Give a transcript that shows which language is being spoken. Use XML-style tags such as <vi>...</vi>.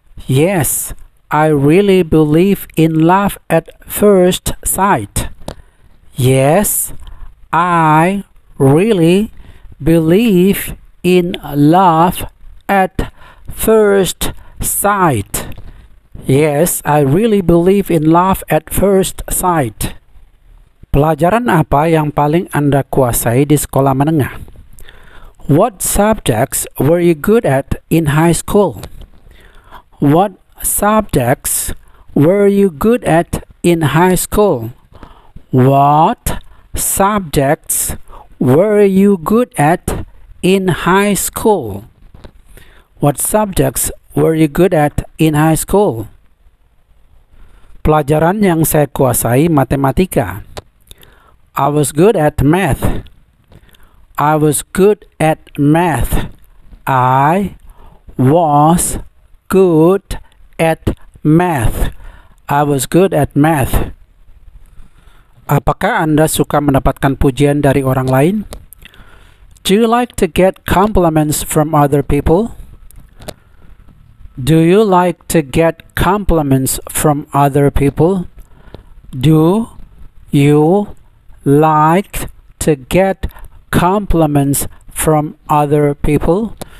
<en>Yes, I really believe in love at first sight. Yes, I really believe in love at first sight. Yes, I really believe in love at first sight.</en> <id>Pelajaran apa yang paling Anda kuasai di sekolah menengah?</id> <en>What subjects were you good at in high school? What subjects were you good at in high school? What subjects were you good at in high school? What subjects were you good at in high school?</en> <id>Pelajaran yang saya kuasai matematika.</id> <en>I was good at math. I was good at math. I was good at math. I was good at math.</en> <id>Apakah Anda suka mendapatkan pujian dari orang lain?</id> <en>Do you like to get compliments from other people? Do you like to get compliments from other people? Do you like to get compliments from other people?</en>